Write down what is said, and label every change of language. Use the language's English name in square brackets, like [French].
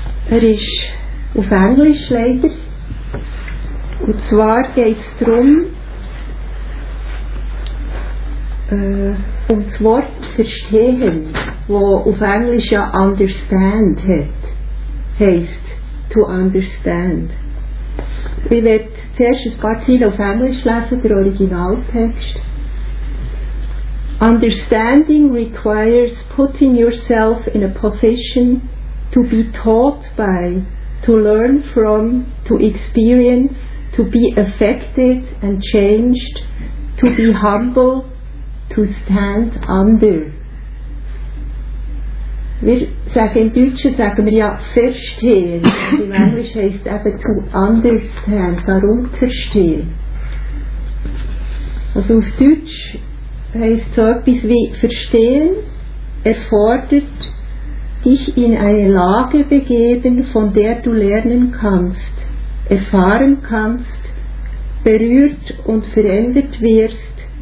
[German] Er ist auf Englisch leider. Und zwar geht es darum, um das Wort verstehen, das auf Englisch ja understand heisst, to understand. Ich werde zuerst ein paar Zeilen auf Englisch lesen, der Originaltext. [English] Understanding requires putting yourself in a position to be taught by, to learn from, to experience, to be affected and changed, to be humble, to stand under. [German] Wir sagen im Deutschen, sagen wir ja verstehen. Im Englischen heißt es eben to understand, darum zu verstehen. Also auf Deutsch heißt so etwas wie verstehen erfordert, dich in eine Lage begeben, von der du lernen kannst, erfahren kannst, berührt und verändert wirst.